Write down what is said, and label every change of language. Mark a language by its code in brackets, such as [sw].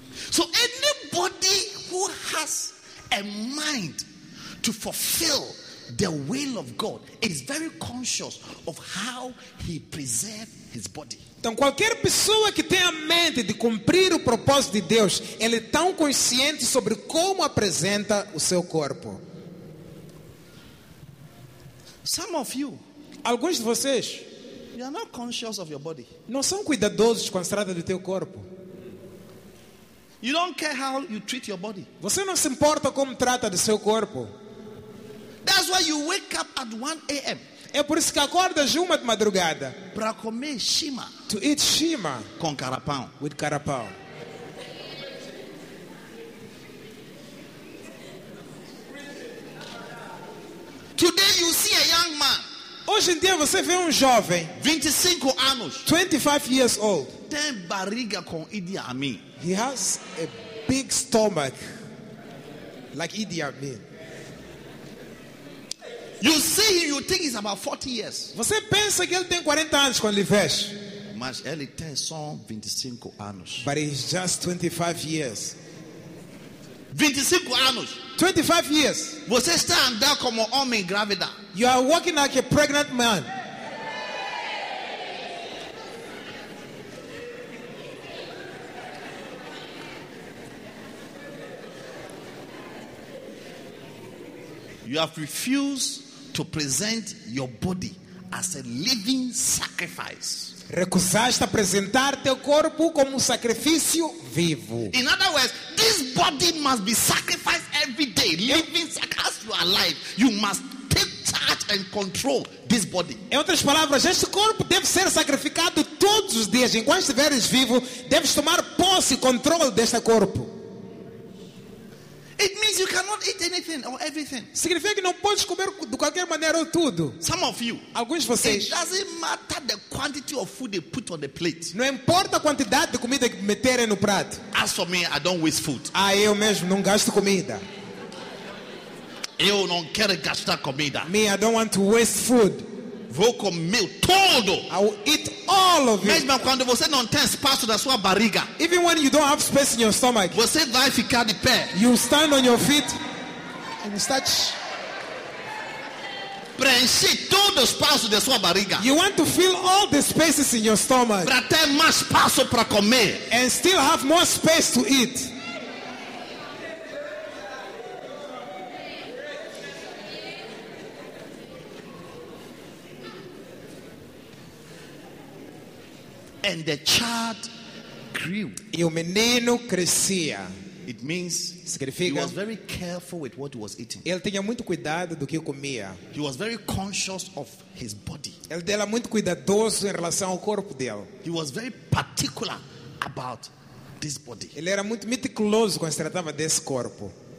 [en] So anybody who has a mind to fulfill the will of God is very conscious of how he preserves his body. [pt] Então qualquer pessoa que tenha a mente de cumprir o propósito de Deus, ele é tão consciente sobre como apresenta o seu corpo. [en] Some of you, [pt] alguns de vocês, [en] you are not conscious of your body. [pt] Não são cuidadosos quando se trata do teu corpo. [en] You don't care how you treat your body. [pt] Você não se importa como trata do seu corpo. [en] That's why you wake up at 1 a.m. [pt] É por isso que acordas uma de madrugada. Para comer shima. [en] To eat shima. [pt] Com carapau. [en] With carapau. Today you see a young man. [pt] Hoje em dia você vê jovem. 25 anos. [en] 25 years old. [pt] Tem barriga com Idi Amin. [en] He has a big stomach. Like Idi Amin. You see him, you think he's about 40 years. [pt] Você pensa que ele tem 40 anos quando ele veste. Mas ele tem só 25 anos. [en] But he's just 25 years. [pt] 25 anos. [en] 25 years. [pt] Você está andando como homem grávida. [en] You are walking like a pregnant man. You have refused to present your body as a living sacrifice. [pt] Recusaste apresentar teu corpo como sacrifício vivo. [en] In other words, this body must be sacrificed every day. Living as you are alive, you must take charge and control this body. [pt] Em outras palavras, este corpo deve ser sacrificado todos os dias. Enquanto estiveres vivo, deves tomar posse e controle deste corpo. [en] It means you cannot eat anything or everything. [pt] Significa que não podes comer de qualquer maneira ou tudo. [en] Some of you, [pt] alguns de vocês, [en] it doesn't matter the quantity of food they put on the plate. [pt] Não importa a quantidade de comida que meterem no prato. [en] As for me, I don't waste food. [pt] Ah, eu mesmo não gasto comida. Eu não quero gastar comida. [en] Me, I don't want to waste food. [pt] Vou comer todo. [en] I will eat all of it. [pt] Mesmo quando você não tem espaço na sua barriga. [en] Even when you don't have space in your stomach. [pt] Você vai ficar de pé. [en] You stand on your feet and start. [pt] Preenche todo o espaço da sua barriga. [en] You want to fill all the spaces in your stomach. [pt] Para ter mais espaço para comer. [en] And still have more space to eat. And the child grew. [pt] E o menino crescia. [en] It means [pt] significa, [en] he was very careful with what he was eating. [pt] Ele tinha muito cuidado do que comia. [en] He was very conscious of his body. [pt] Ele era muito cuidadoso em relação ao corpo dele. [en] He was very particular about this body. [pt] Ele era muito meticuloso quando se tratava desse corpo.